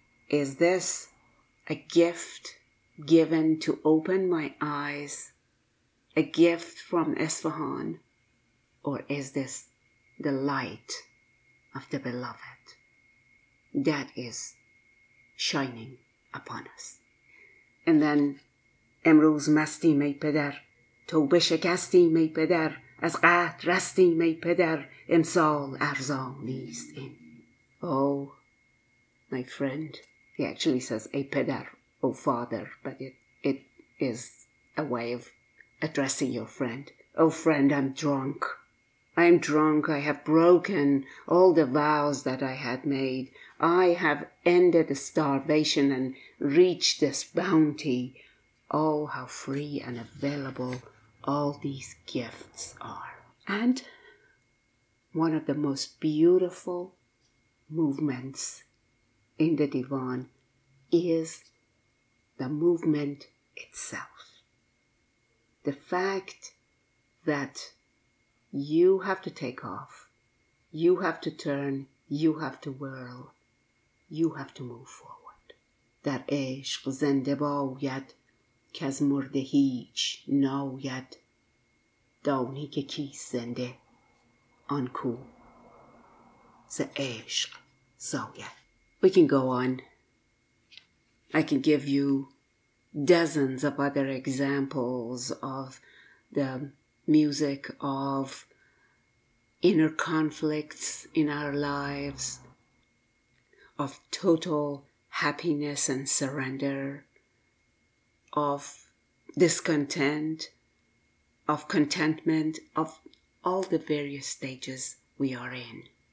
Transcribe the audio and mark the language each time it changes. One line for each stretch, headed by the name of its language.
English: Is this a gift given to open my eyes, a gift from Isfahan, or is this the light of the Beloved that is shining upon us? And then,
Persian: امروز مستیم ای پدر، توبه شکستیم ای پدر، از قهد رستیم ای پدر، امسال ارزانیست این.
English: Oh, my friend, he actually says,
Persian: ای پدر,
English: O father, but it is a way of addressing your friend. O friend, I'm drunk. I am drunk. I have broken all the vows that I had made. I have ended starvation and reached this bounty. Oh, how free and available all these gifts are. And one of the most beautiful movements in the Divan is the movement itself. The fact that you have to take off, you have to turn, you have to whirl, you have to move forward.
Persian: در عشق زنده باید که از مرده هیچ ناید، دانی که کیست زنده آن کو ز عشق زاید.
English: We can go on. I can give you dozens of other examples of the music of inner conflicts in our lives, of total happiness and surrender, of discontent, of contentment, of all the various stages we are in.